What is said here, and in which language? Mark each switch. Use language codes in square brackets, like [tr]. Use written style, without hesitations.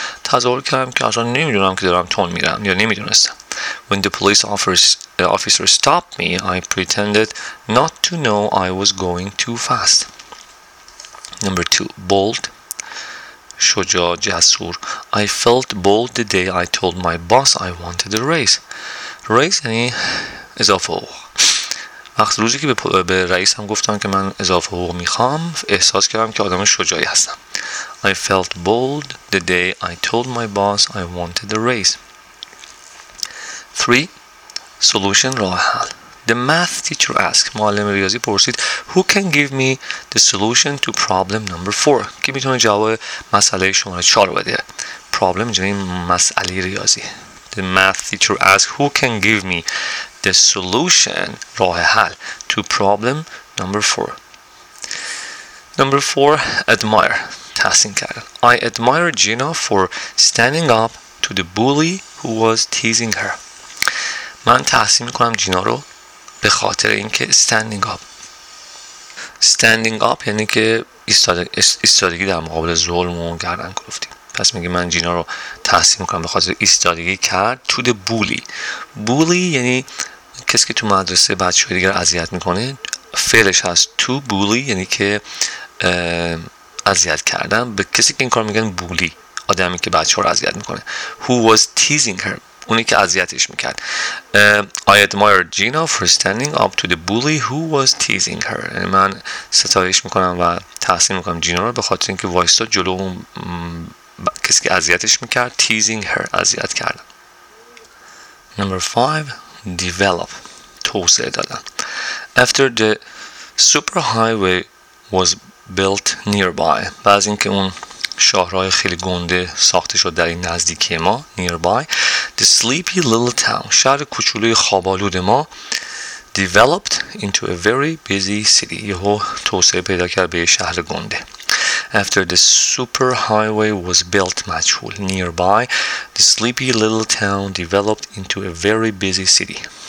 [fa] تظاهر کردم که اصلا نمیدونم که دارم تون میرم یا نمیدونستم. [en] When the police officer stopped me, I pretended not to know I was going too fast. Number 2. Bold, [fa] شجاع، جسور. [en] I felt bold the day I told my boss I wanted a raise. [fa] Raise یعنی اضافه حقوق. وقتی روزی که به رئیسم گفتم که من اضافه حقوق میخوام، احساس کردم که آدم شجاعی هستم. [en] I felt bold the day I told my boss I wanted a raise. 3. Solution, [fa] راه حل. [en] The math teacher asked, [fa] معلم ریاضی پرسید, [en] who can give me the solution to problem number 4? [fa] کی میتونه جواب مسئله شماره 4 بده؟ Problem یعنی مسئله ریاضی. [en] The math teacher asked, who can give me the solution, [fa] راه حل, [en] to problem number 4? Number 4, admire, [fa] تحسین کرد. [en] I admire Gina for standing up to the bully who was teasing her. [fa] من تحسین میکنم جینا رو به خاطر اینکه [en] standing up [fa] یعنی که ایستادگی در مقابل ظلم و گردن کلفتی. پس میگه من جینا رو تحسین میکنم به خاطر ایستادگی کرد [en] to the bully. [fa] Bully یعنی کسی که تو مدرسه بچه های دیگر اذیت میکنه. فعلش هست to bully یعنی که اذیت کردن. به کسی که این کار میگن bully، آدمی که بچه ها رو اذیت میکنه. [en] Who was teasing her، [fa] اونی که اذیتش میکرد. [en] I admired Gina for standing up to the bully who was teasing her. [fa] من ستایش میکنم و تحسین میکنم جینا رو به خاطر اینکه وایستا جلو اون کسی که اذیتش میکرد. [en] teasing her، [fa] اذیت کردن. [en] Number 5. [fa] Develop، توسعه دادن. [en] After the superhighway was built nearby، [fa] بعد از اینکه اون شاهرهای خیلی گنده ساخته شد در این نزدیکی ما، nearby، [en] the sleepy little town، [fa] شهر کوچولوی خوابالود ما، [en] developed into a very busy city، [fa] یهو توسعه پیدا کرد به یه شهر گنده. [en] After the superhighway was built، مجهول، nearby، the sleepy little town developed into a very busy city.